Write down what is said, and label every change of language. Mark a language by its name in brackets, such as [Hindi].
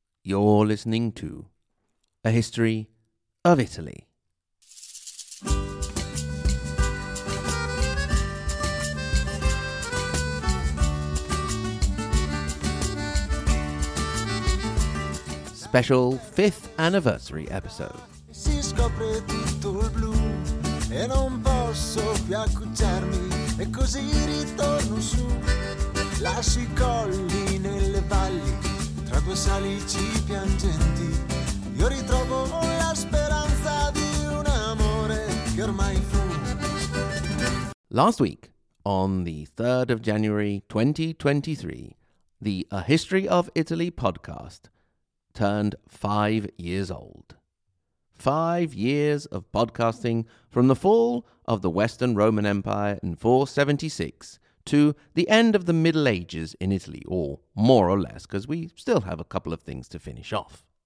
[English] You're listening to A History of Italy. Special 5th anniversary episode. [Italian] Si scopre tutto il blu e non posso più accucciarmi e così ritorno su. Lasci I colli nelle valli tra due salici piangenti. Io ritrovo la speranza di un amore che ormai fu. [English] Last week, on the 3rd of January 2023, the A History of Italy podcast turned 5 years old. 5 years of podcasting from the fall of the Western Roman Empire in 476 to the end of the Middle Ages in Italy, or more or less, because we still have a couple of things to finish off.